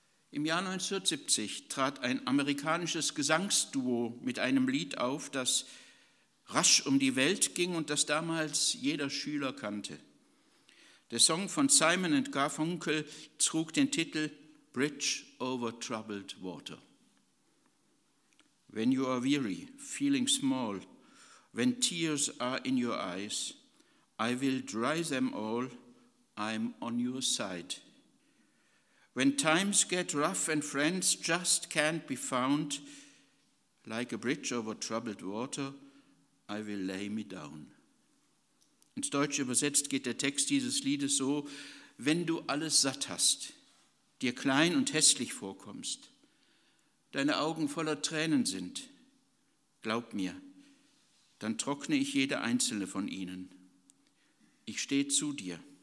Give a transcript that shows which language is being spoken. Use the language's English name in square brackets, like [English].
[German] Im Jahr 1970 trat ein amerikanisches Gesangsduo mit einem Lied auf, das rasch um die Welt ging und das damals jeder Schüler kannte. Der Song von Simon & Garfunkel trug den Titel Bridge Over Troubled Water. [English] When you are weary, feeling small, when tears are in your eyes, I will dry them all, I'm on your side. When times get rough and friends just can't be found, like a bridge over troubled water, I will lay me down. [German] Ins Deutsche übersetzt geht der Text dieses Liedes so, wenn du alles satt hast, dir klein und hässlich vorkommst, deine Augen voller Tränen sind, glaub mir, dann trockne ich jede einzelne von ihnen. Ich stehe zu dir.